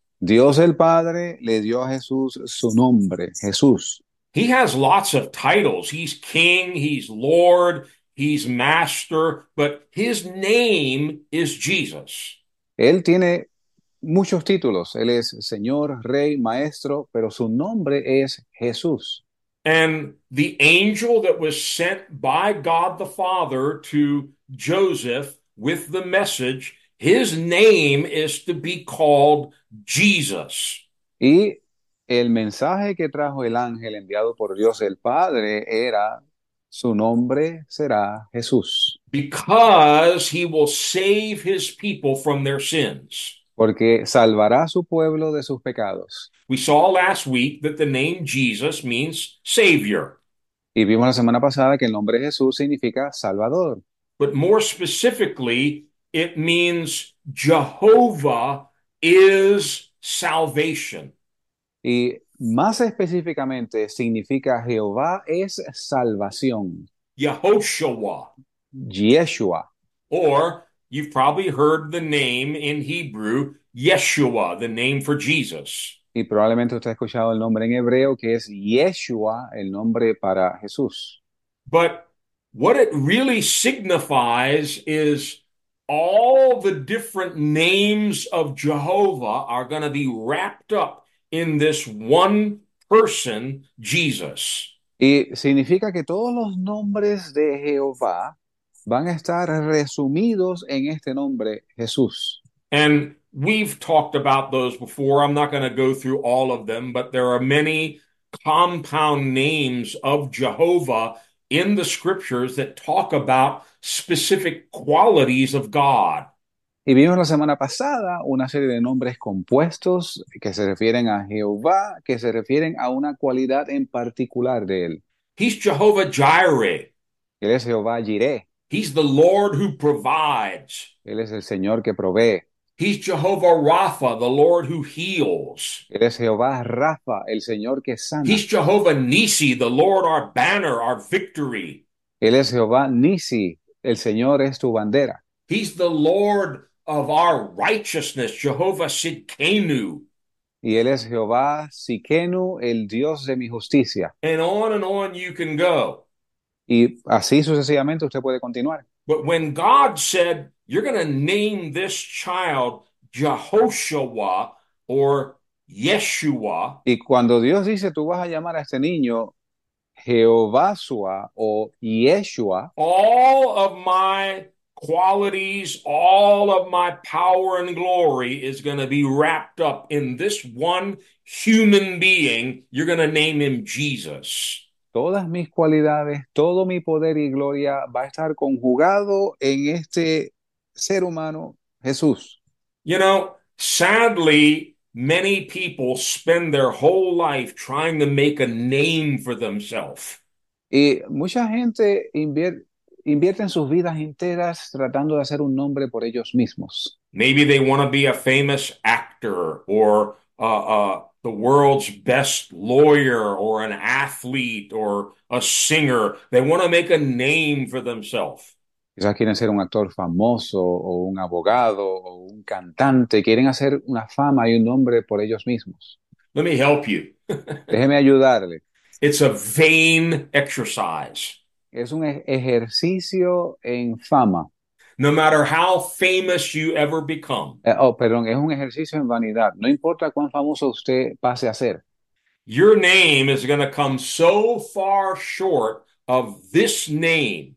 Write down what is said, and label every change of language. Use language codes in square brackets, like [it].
[es] Dios el Padre le dio a Jesús su nombre, Jesús. [en] He has lots of titles. He's King, he's Lord, he's Master, but his name is Jesus. [es] Él tiene muchos títulos. Él es Señor, Rey, Maestro, pero su nombre es Jesús. [en] And the angel that was sent by God the Father to Joseph with the message, his name is to be called Jesus. [es] Y el mensaje que trajo el ángel enviado por Dios el Padre era, su nombre será Jesús. [en] Because he will save his people from their sins. [es] Porque salvará a su pueblo de sus pecados. [en] We saw last week that the name Jesus means Savior. [es] Y vimos la semana pasada que el nombre Jesús significa Salvador. [en] But more specifically, it means Jehovah is salvation. [es] Y más específicamente significa Jehová es salvación. [en] Yehoshua. Yeshua. Or you've probably heard the name in Hebrew, Yeshua, the name for Jesus. [es] Y probablemente usted ha escuchado el nombre en hebreo que es Yeshua, el nombre para Jesús. [en] But what it really signifies is all the different names of Jehovah are going to be wrapped up in this one person, Jesus. [es] Y significa que todos los nombres de Jehová van a estar resumidos en este nombre, Jesús. [en] And we've talked about those before. I'm not going to go through all of them, but there are many compound names of Jehovah in the scriptures that talk about specific qualities of God. [es] Y vimos la semana pasada una serie de nombres compuestos que se refieren a Jehová, que se refieren a una cualidad en particular de él. [en] He's Jehovah Jireh. [es] Él es Jehová Jireh. [en] He's the Lord who provides. [es] Él es el Señor que provee. [en] He's Jehovah Rapha, the Lord who heals. [es] Él es Jehová Rapha, el Señor que sana. [en] He's Jehovah Nisi, the Lord our banner, our victory. [es] Él es Jehová Nisi, el Señor es tu bandera. [en] He's the Lord of our righteousness, Jehovah Tsidkenu. [es] Y él es Jehová Tsidkenu, el Dios de mi justicia. [en] And on you can go. [es] Y así sucesivamente usted puede continuar. [en] But when God said, you're going to name this child Jehoshua or Yeshua, [es] Y cuando Dios dice, tú vas a llamar a este niño Jehovasua o Yeshua. [en] all of my qualities, all of my power and glory is going to be wrapped up in this one human being. You're going to name him Jesus. [es] Todas mis cualidades, todo mi poder y gloria va a estar conjugado en este ser humano, Jesús. [en] You know, sadly, many people spend their whole life trying to make a name for themselves. [es] Y mucha gente invierte en sus vidas enteras tratando de hacer un nombre por ellos mismos. [en] Maybe they want to be a famous actor or the world's best lawyer or an athlete or a singer. They want to make a name for themselves. [es] Quizás quieren ser un actor famoso o un abogado o un cantante. Quieren hacer una fama y un nombre por ellos mismos. [en] Let me help you. [es] Déjeme ayudarle. [en] It's a vain exercise. [es] Es un ejercicio en fama. [en] No matter how famous you ever become, [es] Oh, perdón, es un ejercicio en vanidad. No importa cuán famoso usted pase a ser. [en] your name is going to come so far short of this name.